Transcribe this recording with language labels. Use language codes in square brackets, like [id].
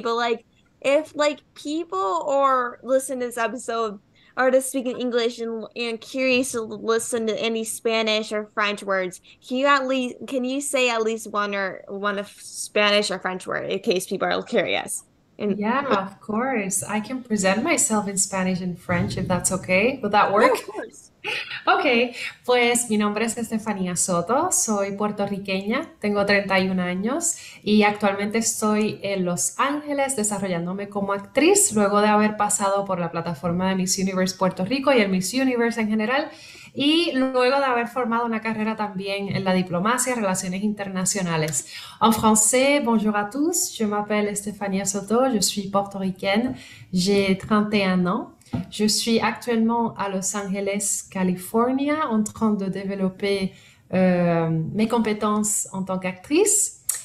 [en] But like, if like people or listen to this episode are just speaking English and curious to listen to any Spanish or French words, can you say at least one of Spanish or French word in case people are curious? And Yeah, of course. I can present myself in Spanish and French if that's okay. Would that yeah, of work? course. [es] Okay, pues mi nombre es Estefania Soto, soy puertorriqueña, tengo 31 años y actualmente estoy en Los Ángeles desarrollándome como actriz luego de haber pasado por la plataforma de Miss Universe Puerto Rico y el Miss Universe en general y luego de haber formado una carrera también en la diplomacia, relaciones internacionales. [fr] En français, bonjour à tous, je m'appelle Estefania Soto, je suis puertorriqueña, j'ai 31 ans. Je suis actuellement à Los Angeles, Californie, en train de développer mes compétences en tant qu'actrice.